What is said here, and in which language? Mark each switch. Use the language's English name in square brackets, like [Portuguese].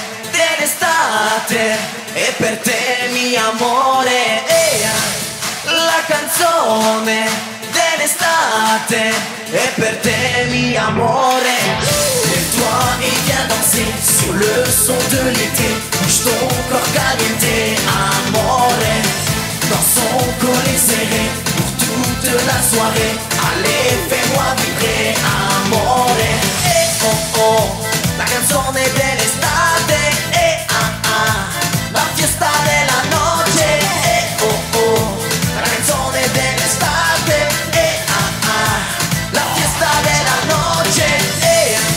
[Italian] Dell'estate è per te mio amore. Hey, la canzone dell'estate è per te mio amore. [French] Lève-toi et viens danser sous le son de l'été. Bouge ton corps caliente, amore. Dansons collés serrés pour toute la soirée. Allez, fais-moi vibrer, amore. Hey, oh, oh. [Italian] La canzone dell'estate, eh ah ah, la fiesta della noche, eh oh oh. La canzone dell'estate, eh ah ah, la fiesta della noche, eh.